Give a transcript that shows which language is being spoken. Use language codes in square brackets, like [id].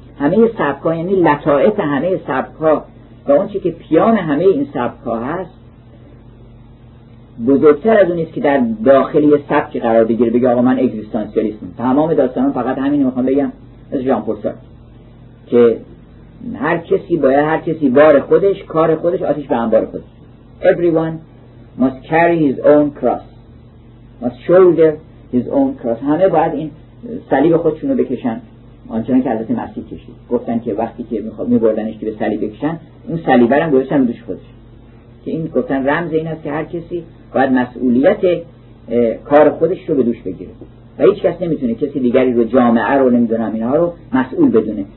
[fa] همه سبک ها، یعنی لطائف همه سبک ها و اون چی که پیام همه این سبک ها هست، بزرگتر از اونیست که در داخل یه سبک قرار بگیره بگه آقا من اگزیستانسیالیستم. تمام داستانم فقط همین رو میخوام بگم، از ژان پل سارتر که هر کسی باید، هر کسی بار خودش، کار خودش، آتش به انبار خودش. [en] Everyone must carry his own cross. Must shoulder his own cross. [fa] همه باید این صلیب خودشون رو بکشن، آنچنان که حضرت مسیح کشید. گفتن که وقتی که میبردنش که به صلیب بکشن، اون صلیب رو گذاشتن دوش خودش. که این گفتن رمز این است که هر کسی باید مسئولیت کار خودش رو به دوش بگیره. و هیچ کس نمیتونه کسی دیگری رو، جامعه رو، نمیدونم اینها رو مسئول بدونه.